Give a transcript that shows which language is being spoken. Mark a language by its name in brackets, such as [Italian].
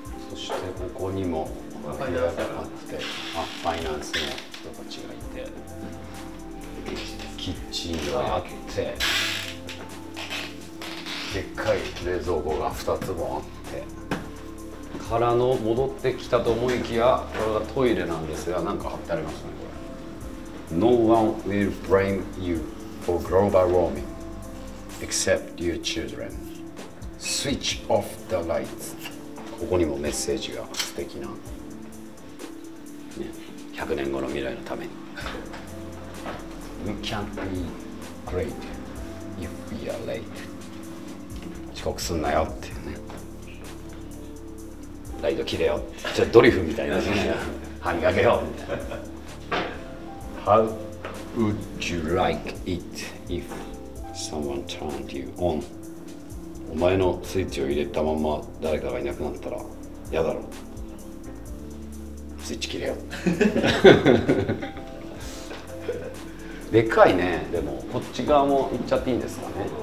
[Japanese] そしてここにもファイナンスがあって、あ、ファイナンスの人たちがいて、キッチンがあって、でっかい冷蔵庫が2つもあって、からの戻ってきたと思いきや、これがトイレなんですが、なんか貼ってありますね、これ。 [English] No one will blame you for global warming except your children. Switch off the lights. [Japanese] ここにもメッセージが素敵な。 100年後の未来のために。 [English] We can't be great if we are late. [Japanese] 遅刻すんなよっていうね。ライト切れよって。ちょっとドリフみたいな。歯磨けよみたいな。 [English] How would you like it if someone turned you on? [Japanese] お前のスイッチを入れたまま誰かがいなくなったら嫌だろ。スイッチ切れよ。でかいね。でもこっち側も行っちゃっていいんですかね。